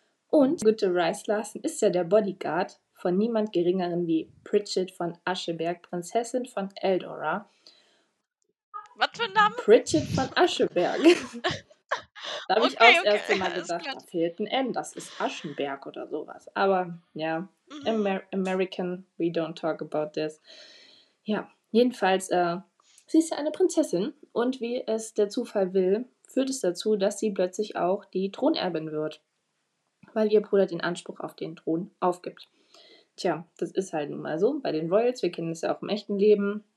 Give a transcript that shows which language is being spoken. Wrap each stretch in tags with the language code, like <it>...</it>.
<de>Und der gute Rice Larson ist ja der Bodyguard von niemand geringeren wie Pritchett von Ascheberg, Prinzessin von Eldora. Was für ein Name? Pritchett von Ascheberg. Da habe ich auch das erste Mal gedacht, da fehlt ein N, das ist Aschenberg oder sowas. Aber ja,</de> <en>American, we don't talk about this.</en> <de>Ja, jedenfalls, sie ist ja eine Prinzessin und wie es der Zufall will, führt es dazu, dass sie plötzlich auch die Thronerbin wird, weil ihr Bruder den Anspruch auf den Thron aufgibt. Tja, das ist halt nun mal so bei den Royals. Wir kennen es ja auch im echten Leben.</de>